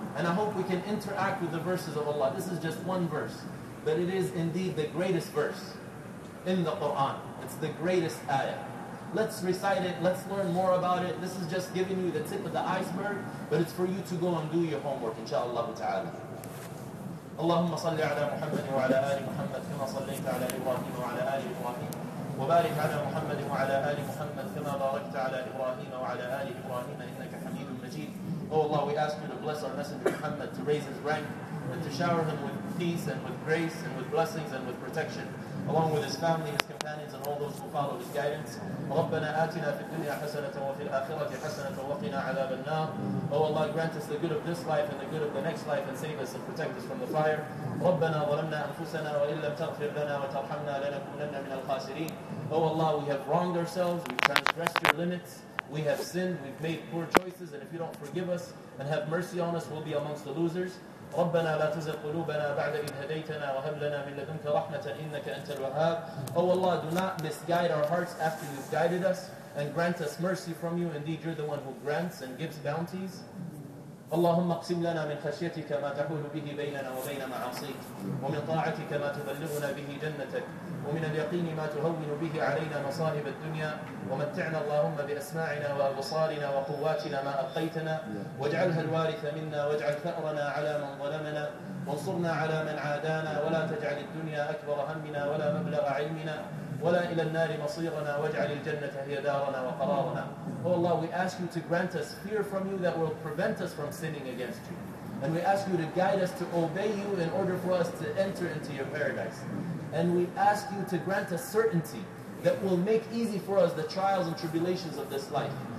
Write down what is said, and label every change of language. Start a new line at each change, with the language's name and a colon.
English: And I hope we can interact with the verses of Allah. This is just one verse. But it is indeed the greatest verse in the Quran. It's the greatest ayah. Let's recite it. Let's learn more about it. This is just giving you the tip of the iceberg. But it's for you to go and do your homework, inshaAllah ta'ala.
Arabic: اللهم صل على محمد وعلى آل محمد كما صليت على إبراهيم وعلى آل إبراهيم وبارك على محمد وعلى آل محمد كما باركت على إبراهيم وعلى آل إبراهيم إنك حميد مجيد.
English: Oh Allah, we ask you to bless our messenger Muhammad, to raise his rank and to shower him with peace and with grace and with blessings and with protection, along with his family, his companions, and all those who follow his guidance.
Arabic: ربنا آتنا في الدنيا حسنة وفي الآخرة حسنة وقنا عذاب النار.
English: Oh Allah, grant us the good of this life and the good of the next life, and save us and protect us from the fire.
Arabic: ربنا ظلمنا أنفسنا وإن لم تغفر لنا وترحمنا لنكونن من الخاسرين.
English: Oh Allah, we have wronged ourselves, we've transgressed your limits, we have sinned, we've made poor choices, and if you don't forgive us and have mercy on us, we'll be amongst the losers.
Arabic: ربنا لا تزغ قلوبنا بعد إذ هديتنا وهب لنا من لدنك رحمة إنك أنت الوهاب.
English: Oh Allah, do not misguide our hearts after you've guided us and grant us mercy from you. Indeed, you're the one who grants and gives bounties.
Arabic: اللهم اقسم لنا من خشيتك ما تحول به بيننا وبين معاصيك ومن طاعتك ما تبلغنا به جنتك ومن اليقين ما تهون به علينا مصائب الدنيا ومتعنا اللهم بأسماعنا وأبصارنا وقواتنا ما أبقيتنا واجعلها الوارث منا واجعل ثأرنا على من ظلمنا وانصرنا على من عادانا ولا تجعل الدنيا أكبر همنا ولا مبلغ علمنا ولا إلى النار مصيرنا واجعل الجنة هي دارنا وقرارنا.
English: Oh Allah, we ask you to grant us fear from you that will prevent us from sinning against you. And we ask you to guide us to obey you in order for us to enter into your paradise. And we ask you to grant us certainty that will make easy for us the trials and tribulations of this life.